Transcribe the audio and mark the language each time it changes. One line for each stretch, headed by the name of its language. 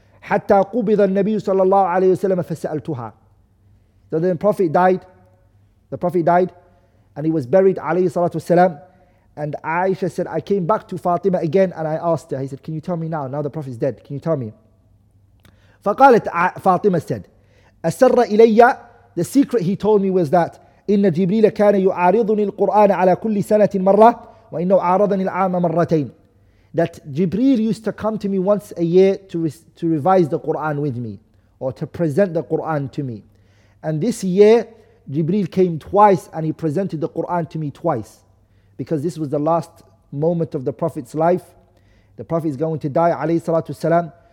Arabic: حَتَّى قُبِضَ النَّبِيُّ صَلَى اللَّهُ عَلَيْهُ وَسَلَّمَ فَسَأَلْتُهَا.
English: So then the Prophet died, and he was buried, عليه الصلاة والسلام. And Aisha said, I came back to Fatima again and I asked her. He said, can you tell me now the Prophet is dead, can you tell me?
Arabic: فقالت,
English: Fatima said,
Arabic: أسر إلي,
English: the secret he told me was that
Arabic: إن جبريل كان يعارضني القرآن على كل سنة مرة وإنه عارضني العام مرتين.
English: That Jibreel used to come to me once a year to revise the Quran with me, or to present the Quran to me. And this year Jibreel came twice and he presented the Quran to me twice. Because this was the last moment of the Prophet's life. The Prophet is going to die, alayhi salatu wasalam.